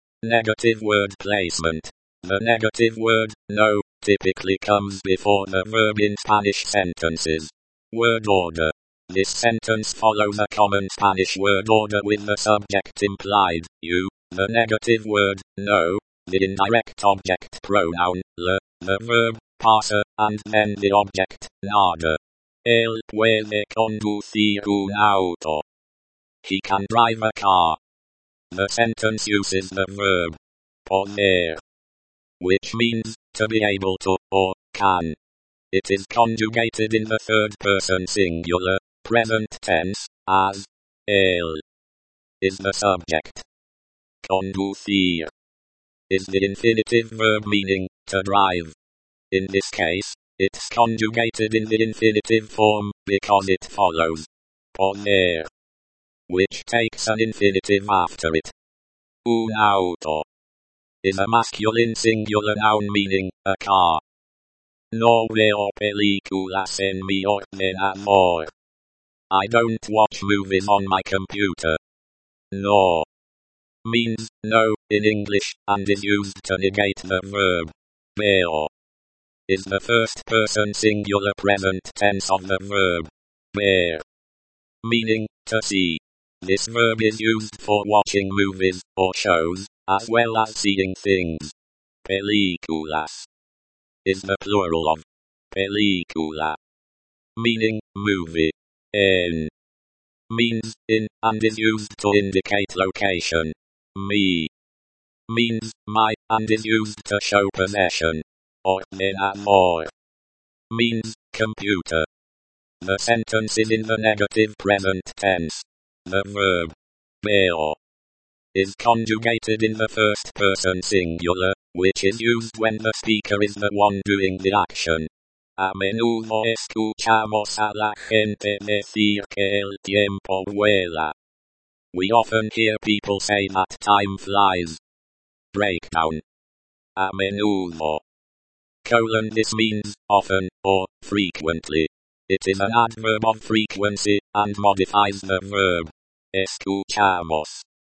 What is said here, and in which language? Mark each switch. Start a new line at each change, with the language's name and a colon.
English: Negative word placement. The negative word, no, typically comes before the verb in Spanish sentences. Word order. This sentence follows a common Spanish word order with the subject implied, you, the negative word, no, the indirect object pronoun, le, the verb, pasa, and then the object, nada.
Spanish: Él puede conducir un auto.
English: He can drive a car. The sentence uses the verb poder, which means to be able to or can. It is conjugated in the third person singular, present tense, as él is the subject. Conducir is the infinitive verb meaning to drive. In this case, it's conjugated in the infinitive form, because it follows poner, which takes an infinitive after it. Un auto is a masculine singular noun meaning a car.
Spanish: No veo películas en mi ordenador.
English: I don't watch movies on my computer. No means no in English, and is used to negate the verb veo. Is the first person singular present tense of the verb ver, meaning to see. This verb is used for watching movies or shows, as well as seeing things. Películas is the plural of película, meaning movie. En means in, and is used to indicate location. Mi means my, and is used to show possession. Ordenador means computer. The sentence is in the negative present tense. The verb veo is conjugated in the first person singular, which is used when the speaker is the one doing the action.
Spanish: A menudo escuchamos a la gente decir que el tiempo vuela.
English: We often hear people say that time flies. Breakdown.
Spanish: A menudo.
English: Colon, this means often or frequently. It is an adverb of frequency and modifies the verb escuchamos.